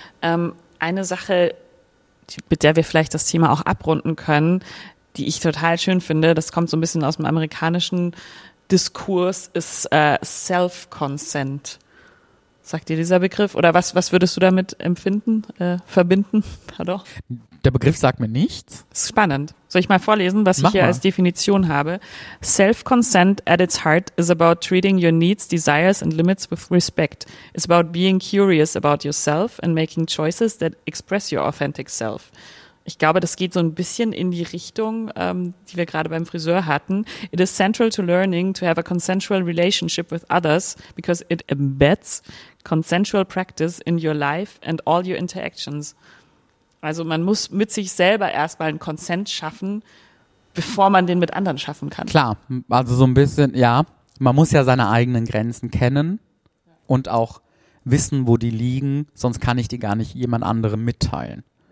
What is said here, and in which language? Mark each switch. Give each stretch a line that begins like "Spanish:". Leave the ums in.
German: Ähm, eine Sache, die, mit der wir vielleicht das Thema auch abrunden können, die ich total schön finde, das kommt so ein bisschen aus dem amerikanischen Diskurs, ist äh, Self-Consent. Sagt dir dieser Begriff? Oder was, was würdest du damit empfinden, äh, verbinden? Pardon? Der Begriff sagt mir nichts. Ist spannend. Soll ich mal vorlesen, was Mach ich hier mal. als Definition habe?
English: Self-consent at its heart is about treating your needs, desires and limits with respect. It's about being curious about yourself and making choices that express your authentic self.
German: Ich glaube, das geht so ein bisschen in die Richtung, ähm, die wir gerade beim Friseur hatten.
English: It is central to learning to have a consensual relationship with others because it embeds consensual practice in your life and all your interactions.
German: Also man muss mit sich selber erstmal einen Konsent schaffen, bevor man den mit anderen schaffen kann. Klar, also so ein bisschen, ja, man muss ja seine eigenen Grenzen kennen und auch wissen, wo die liegen, sonst kann ich die gar nicht jemand anderem mitteilen.